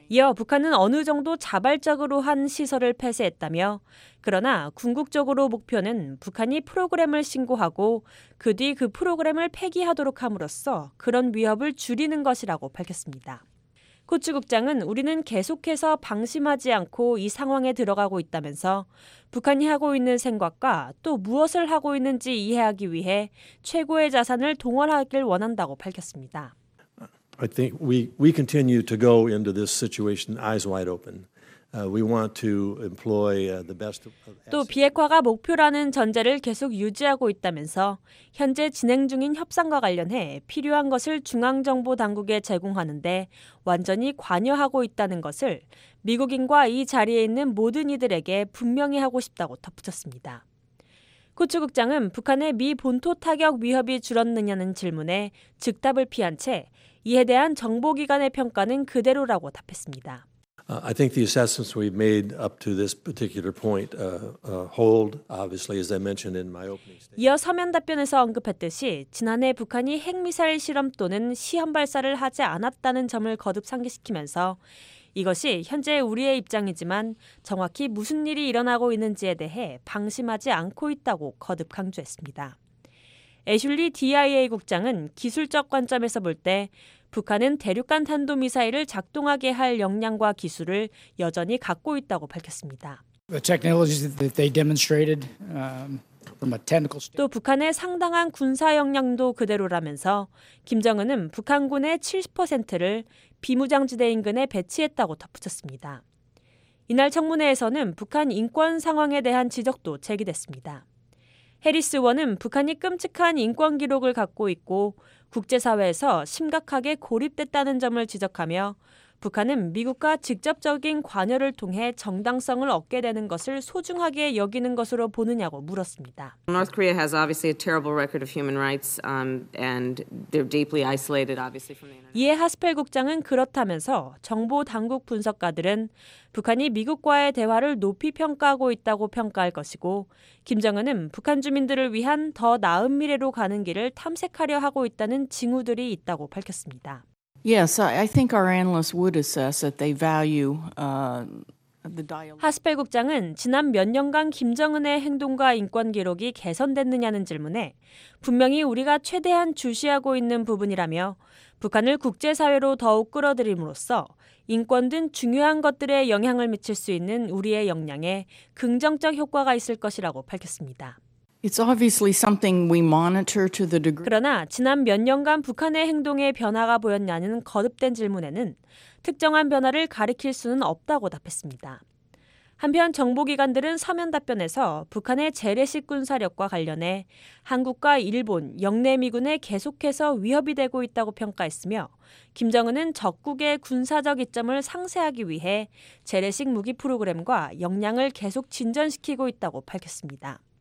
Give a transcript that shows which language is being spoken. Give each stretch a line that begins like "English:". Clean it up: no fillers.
Korean: 이어 북한은 어느 정도 자발적으로 한 시설을 폐쇄했다며 그러나 궁극적으로 목표는 북한이 프로그램을 신고하고 그 뒤 그 프로그램을 폐기하도록 함으로써 그런 위협을 줄이는 것이라고 밝혔습니다. 코츠 국장은 우리는 계속해서 방심하지 않고 이 상황에 들어가고 있다면서 북한이 하고 있는 생각과 또 무엇을 하고 있는지 이해하기 위해 최고의 자산을 동원하길 원한다고 밝혔습니다.
English: I think we continue to go into this situation eyes wide open. We want to employ the best of assets.
Korean: 또 비핵화가 목표라는 전제를 계속 유지하고 있다면서 현재 진행 중인 협상과 관련해 필요한 것을 중앙정보 당국에 제공하는데 완전히 관여하고 있다는 것을 미국인과 이 자리에 있는 모든 이들에게 분명히 하고 싶다고 덧붙였습니다. 코츠 국장은 북한의 미 본토 타격 위협이 줄었느냐는 질문에 즉답을 피한 채 이에 대한 정보기관의 평가는 그대로라고 답했습니다.
English: I think the assessments we've made up to this particular point hold, obviously, as I mentioned in my opening statement.
Korean: 이어 서면 답변에서 언급했듯이 지난해 북한이 핵미사일 실험 또는 시험 발사를 하지 않았다는 점을 거듭 상기시키면서 이것이 현재 우리의 입장이지만 정확히 무슨 일이 일어나고 있는지에 대해 방심하지 않고 있다고 거듭 강조했습니다. 애슐리 DIA 국장은 기술적 관점에서 볼 때 북한은 대륙간 탄도미사일을 작동하게 할 역량과 기술을 여전히 갖고 있다고 밝혔습니다.
English: The technologies that they demonstrated from a technical
Korean: 또 북한의 상당한 군사 역량도 그대로라면서 김정은은 북한군의 70%를 비무장지대 인근에 배치했다고 덧붙였습니다. 이날 청문회에서는 북한 인권 상황에 대한 지적도 제기됐습니다. 해리스 의원은 북한이 끔찍한 인권 기록을 갖고 있고 국제사회에서 심각하게 고립됐다는 점을 지적하며 북한은 미국과 직접적인 관여를 통해 정당성을 얻게 되는 것을 소중하게 여기는 것으로 보느냐고 물었습니다.
English: North Korea has obviously a terrible record of human rights and they're deeply isolated obviously from the internet.
Korean: 이에 하스펠 국장은 그렇다면서 정보 당국 분석가들은 북한이 미국과의 대화를 높이 평가하고 있다고 평가할 것이고 김정은은 북한 주민들을 위한 더 나은 미래로 가는 길을 탐색하려 하고 있다는 징후들이 있다고 밝혔습니다.
English: Yes, I think our analysts would assess that they value the dialogue.
Korean: 하스펠 국장은 지난 몇 년간 김정은의 행동과 인권 기록이 개선됐느냐는 질문에 분명히 우리가 최대한 주시하고 있는 부분이라며 북한을 국제사회로 더욱 끌어들임으로써 인권 등 중요한 것들에 영향을 미칠 수 있는 우리의 역량에 긍정적 효과가 있을 것이라고 밝혔습니다.
English: It's obviously something we monitor to the degree.
Korean: 그러나 지난 몇 년간 북한의 행동에 변화가 보였냐는 거듭된 질문에는 특정한 변화를 가리킬 수는 없다고 답했습니다. 한편 정보기관들은 서면 답변에서 북한의 재래식 군사력과 관련해 한국과 일본, 영내 미군에 계속해서 위협이 되고 있다고 평가했으며 김정은은 적국의 군사적 이점을 상쇄하기 위해 재래식 무기 프로그램과 역량을 계속 진전시키고 있다고 밝혔습니다.